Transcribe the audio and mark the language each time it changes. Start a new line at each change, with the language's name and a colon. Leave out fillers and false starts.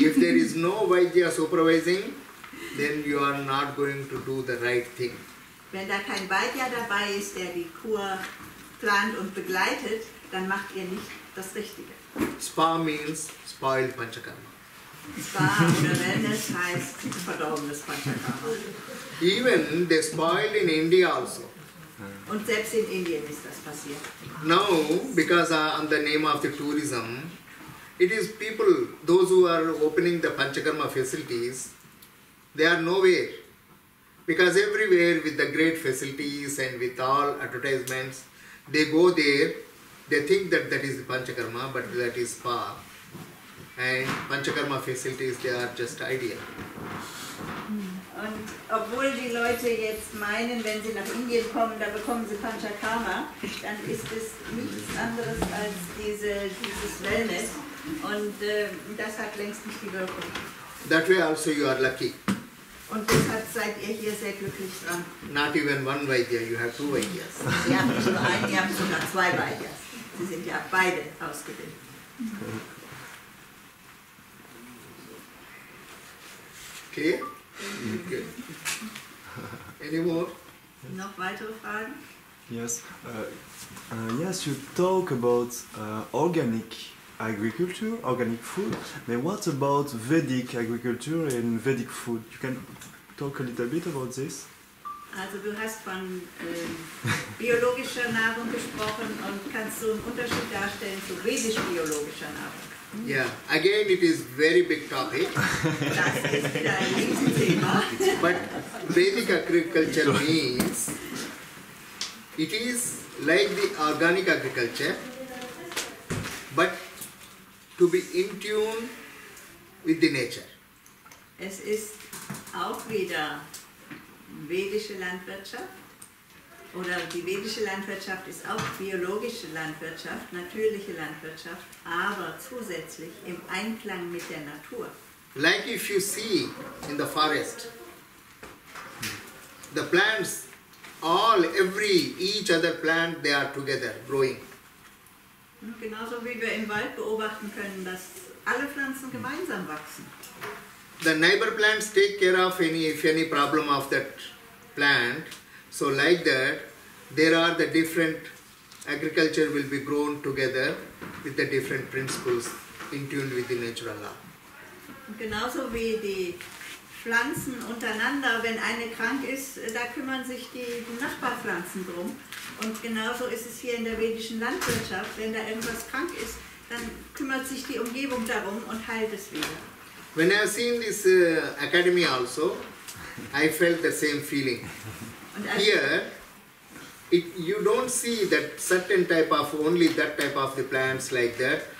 English: If there is no Vaidya supervising, then you are not going to do the right thing.
German: Wenn da kein Vaidya dabei ist, der die Kur plant und begleitet, dann macht ihr nicht das Richtige.
English: Spa means spoiled Panchakarma.
German: Spa oder Wellness heißt verdorbenes Panchakarma.
English: Even they spoiled in India also.
German: Und selbst in Indien ist das passiert.
English: Now, because on the name of the tourism, it is people, those who are opening the Panchakarma facilities, they are nowhere. Because everywhere with the great facilities and with all advertisements, they go there, they think that is the Panchakarma, but that is spa. And Panchakarma facilities, they are just ideal.
German: Und obwohl die Leute jetzt meinen, wenn sie nach Indien kommen, da bekommen sie Panchakarma, dann ist es nichts anderes als dieses Wellness. Und das hat längst nicht die Wirkung.
English: That way also you are lucky.
German: Und deshalb seid ihr hier sehr glücklich dran.
English: Not even one Vaidya, you have two Vaidyas.
German: Sie haben nicht nur einen, sie haben sogar zwei Vaidyas. Sie sind ja beide ausgebildet.
English: Okay. Okay. Any more?
German: Noch weitere Fragen?
English: Yes. Yes, you talk about organic agriculture, organic food, but what about Vedic agriculture and Vedic food? You can talk a little bit about this.
German: Also du hast von biologischer Nahrung gesprochen und kannst so einen Unterschied darstellen zu vedisch-biologischer Nahrung.
English: Yeah, again it is very big topic.
German: Das ist wieder ein riesiges Thema.
English: But Vedic agriculture means it is like the organic agriculture, but to be in tune with the nature.
German: Es ist auch wieder vedische Landwirtschaft. Oder die vedische Landwirtschaft ist auch biologische Landwirtschaft, natürliche Landwirtschaft, aber zusätzlich im Einklang mit der Natur.
English: Like if you see in the forest, the plants, all, every, each other plant, they are together growing.
German: Genauso wie wir im Wald beobachten können, dass alle Pflanzen gemeinsam wachsen.
English: The neighbor plants take care of any problem of that plant. So like that, there are the different agriculture will be grown together with the different principles in tune with the natural law.
German: Genauso wie die Pflanzen untereinander, wenn eine krank ist, da kümmern sich die Nachbarpflanzen drum. Und genauso ist es hier in der vedischen Landwirtschaft, wenn da irgendwas krank ist, dann kümmert sich die Umgebung darum und heilt es wieder.
English: When I have seen this academy also, I felt the same feeling. Here, you don't see that certain type of, only that type of the plants like that.